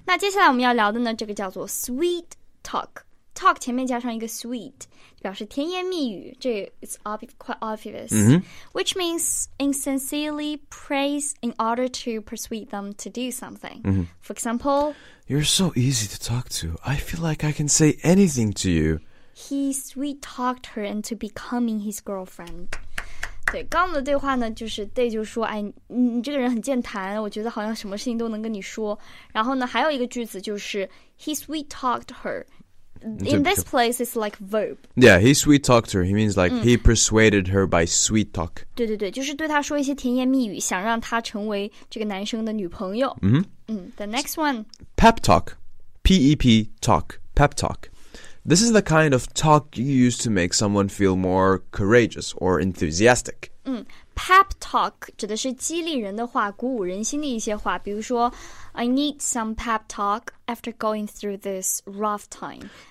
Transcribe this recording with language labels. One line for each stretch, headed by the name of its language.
Chinese: 那接下来我们要聊的呢，这个叫做 sweet talk. Talk 前面加上一个 sweet, 表示甜言蜜语，这
English: is quite obvious. Mm-hmm. Which means insincerely praise in order to persuade them to do something. Mm-hmm. For example, you're so easy to talk to. I feel like I can say anything to you. He sweet-talked her into becoming his girlfriend.
Chinese: 对，刚刚的对话呢，就是 Day 就说，哎，你这个人很健谈，我觉得好像什么事情都能跟你说。然后呢，还有一个句子就是
English: he sweet-talked her. In this place, it's like verb. Yeah, he sweet-talked her. He means like he persuaded her by sweet-talk.
Chinese: 对对对，就是对他说一些甜言蜜语，想让他成为这个男生的女朋友。 Mm-hmm.
English: The next one. Pep talk. P-E-P talk. Pep talk. This is the kind of talk you use to make someone feel more courageous or enthusiastic.
Chinese: Pep talk 指的是激励人的话，鼓舞人心的一些话。比如说
English: I need some pep talk after going through this rough time.